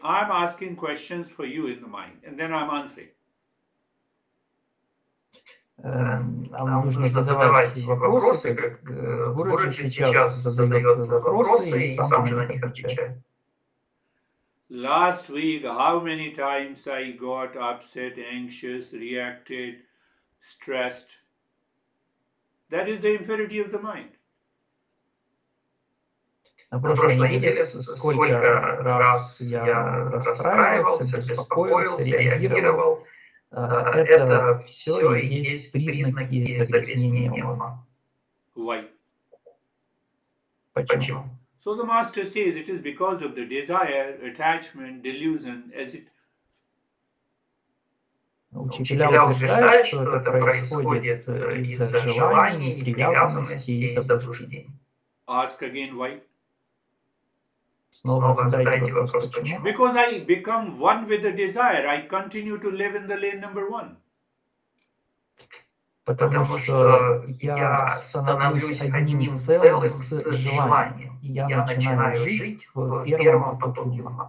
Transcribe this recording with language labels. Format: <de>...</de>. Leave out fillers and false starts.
<en>I'm asking questions for you in the mind, and then I'm answering.</en> <ru>Нам нужно задавать вопросы, как Гуруджи сейчас задает вопросы, и сам уже на них отвечает.</ru> <en>Last week, how many times I got upset, anxious, reacted, stressed? That is the impurity of the mind.</en> <ru>На прошлой неделе, сколько раз я расстраивался, беспокоился, реагировал, это все есть признаки загрязнения ума.</ru> <en>Why?</en> <ru>Почему?</ru> <en>So the master says it is because of the desire, attachment, delusion, as it...</en> <ru>Учителя утверждают, что это происходит из-за желаний, привязанности и заблуждений.</ru> <en>Ask again why?</en> <ru>Снова задайте вопрос, почему?</ru> <en>Because I become one with the desire, I continue to live in the lane number one.</en> <ru>Потому что я становлюсь одним целым с желанием. Я начинаю жить в первом потоке.</ru>